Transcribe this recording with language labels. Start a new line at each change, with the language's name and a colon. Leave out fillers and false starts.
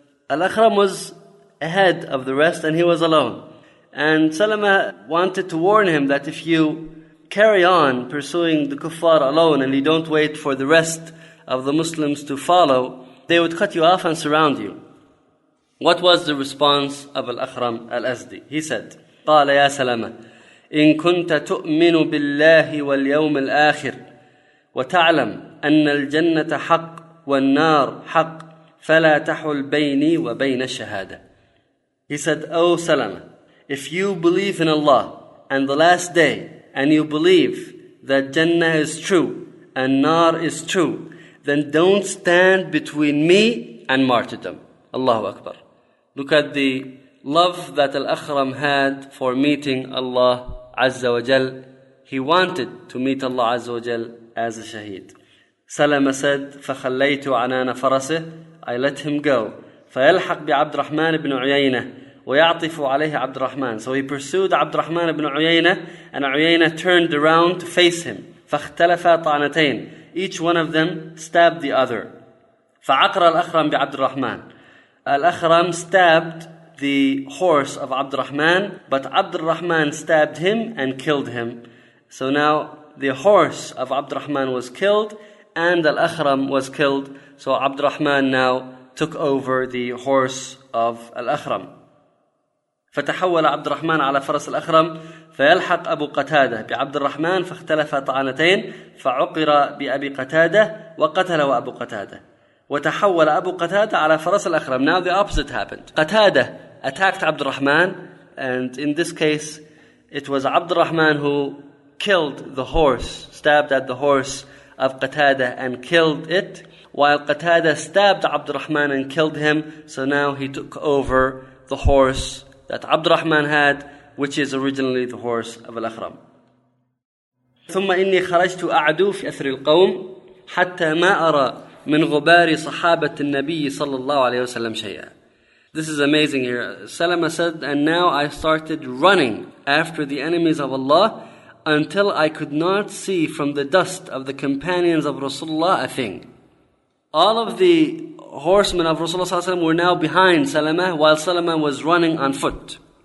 English: Al-Akhram was ahead of the rest and he was alone. And Salama wanted to warn him that if you carry on pursuing the kuffar alone and you don't wait for the rest of the Muslims to follow, they would cut you off and surround you. What was the response of Al-Akhram Al-Azdi? He said,
Arabic: قال يا سلامة إن كنت تؤمن بالله واليوم الآخر وتعلم أن الجنة حق والنار حق فلا تحل بيني وبين الشهادة.
English: He said, oh Salama, if you believe in Allah and the last day and you believe that Jannah is true and Nar is true, then don't stand between me and martyrdom. Allahu Akbar. Look at the love that Al-Akhram had for meeting Allah Azza wa Jal. He wanted to meet Allah Azza wa Jal as a shaheed. Salama said,
Arabic: فَخَلَّيْتُ عَنَانَ فَرَسِهِ.
English: I let him go.
Arabic: فَيَلْحَقْ بِعَبْدِ رَحْمَانِ بْنُ عُيَيْنَةِ وَيَعْطِفُ عَلَيْهِ عَبْدِ رَحْمَانِ.
English: So he pursued عبد الرحمن بن عيينة, and عيينة turned around to face him.
Arabic: فَاخْتَلَفَ طَعْنَتَيْنِ.
English: Each one of them stabbed the other.
Arabic: فَعَقْرَ الْأَخْرَمْ بِعَبْدِ الرَّحْمَانِ.
English: Al-Akhram stabbed the horse of عبد الرحمن, but عبد الرحمن stabbed him and killed him. So now the horse of عبد الرحمن was killed and Al-Akhram was killed. So عبد الرحمن now took over the horse of Al-Akhram.
Arabic: فتحول عبد الرحمن على فرس الأخرم فيلحق أبو قتادة بعبد الرحمن فاختلف طعنتين فعقر بأبي قتادة وقتل أبو قتادة وتحول أبو قتادة على فرس الأخرم.
English: Now the opposite happened. قتادة attacked عبد الرحمن, and in this case it was عبد الرحمن who killed the horse, stabbed at the horse of Qatada and killed it, while Qatada stabbed عبد الرحمن and killed him. So now he took over the horse that عبد الرحمن had, which is originally the horse of Al-Akhram.
Arabic: ثم إني خرجت أعدو في أثر القوم حتى ما أرى من غبار صحابة النبي صلى الله عليه وسلم شيئا.
English: This is amazing here. Salama said, and now I started running after the enemies of Allah until I could not see from the dust of the companions of Rasulullah a thing. All of the horsemen of Rasulullah ﷺ were now behind Salama while Salama was running on foot.